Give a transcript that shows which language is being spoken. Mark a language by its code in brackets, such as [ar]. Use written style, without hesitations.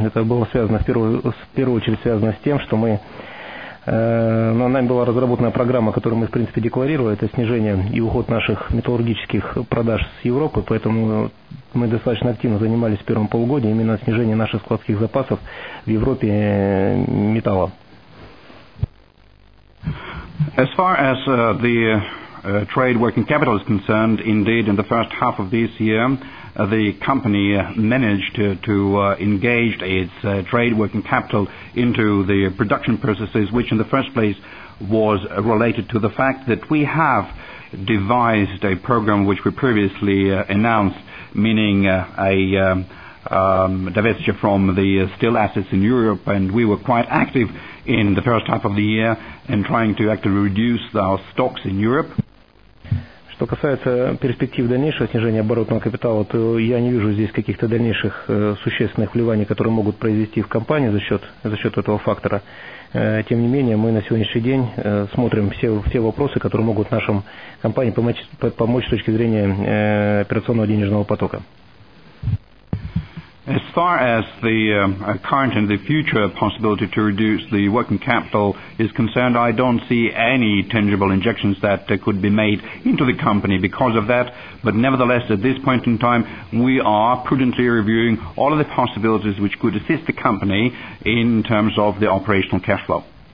[ru] Это было связано в первую очередь связано с тем, что нами была разработана программа, которую мы в принципе декларировали, это снижение и уход наших металлургических продаж с Европы, поэтому мы достаточно активно занимались в первом полугодии именно снижением наших складских запасов в Европе металла. [en] As far as the trade working capital is concerned, indeed in the first half of this year the company managed to engage its trade working capital into the production processes, which in the first place was related to the fact that we have devised a program which we previously announced, meaning divestiture from the steel assets in Europe, and we were quite active in the first half of the year in trying to actually reduce our stocks in Europe. [ru] Что касается перспектив дальнейшего снижения оборотного капитала, то я не вижу здесь каких-то дальнейших существенных вливаний, которые могут произвести в компанию за счет этого фактора. Тем не менее, мы на сегодняшний день смотрим все вопросы, которые могут нашим компании помочь с точки зрения операционного денежного потока. [en] As far as the current and the future possibility to reduce the working capital is concerned, I don't see any tangible injections that could be made into the company because of that. But nevertheless, at this point in time, we are prudently reviewing all of the possibilities which could assist the company in terms of the operational cash flow.